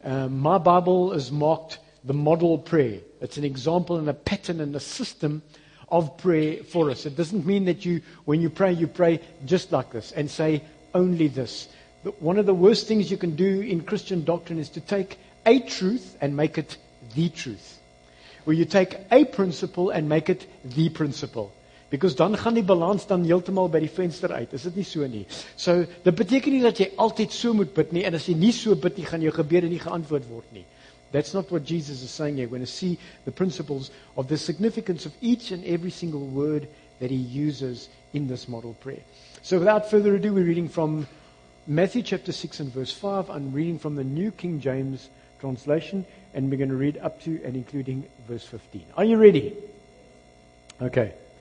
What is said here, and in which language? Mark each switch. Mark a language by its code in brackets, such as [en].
[en] My Bible is marked the model prayer. It's an example and a pattern and a system of prayer for us. It doesn't mean that when you pray just like this and say only this. One of the worst things you can do in Christian doctrine is to take a truth and make it the truth. Where you take a principle and make it the principle. Because [af] dan gaan die balans dan heeltemal by die venster uit. Is dit nie so nie? So, dit beteken nie dat jy altyd so moet bid nie, en as jy nie so bid nie, gaan jou gebede nie geantwoord word nie. [en] That's not what Jesus is saying here. We're going to see the principles of the significance of each and every single word that he uses in this model prayer. So without further ado, we're reading from Matthew chapter 6 and verse 5. I'm reading from the New King James Translation, and we're going to read up to and including verse 15. Are you ready? Okay.